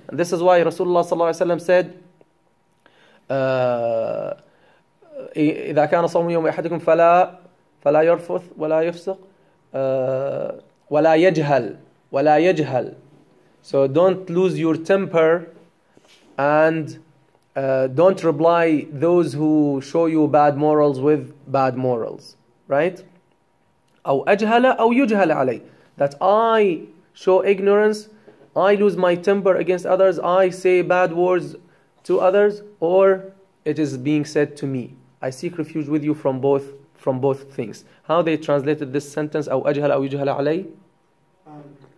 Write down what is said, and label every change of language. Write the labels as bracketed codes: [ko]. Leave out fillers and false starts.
[en] And this is why Rasulullah [ar] صلى الله عليه وسلم [en] said, [ar] إذا كان صوم يوم أحدكم فلا يرفث ولا يفسق ولا يجهل ولا يجهل. [en] So don't lose your temper and don't reply those who show you bad morals with bad morals. Right? [ar] أو أجهل أو يجهل علي. [en] That I... Show ignorance, I lose my temper against others, I say bad words to others, or it is being said to me. I seek refuge with you from both things. How they translated this sentence, [ar] أو أجهل أو يجهل علي?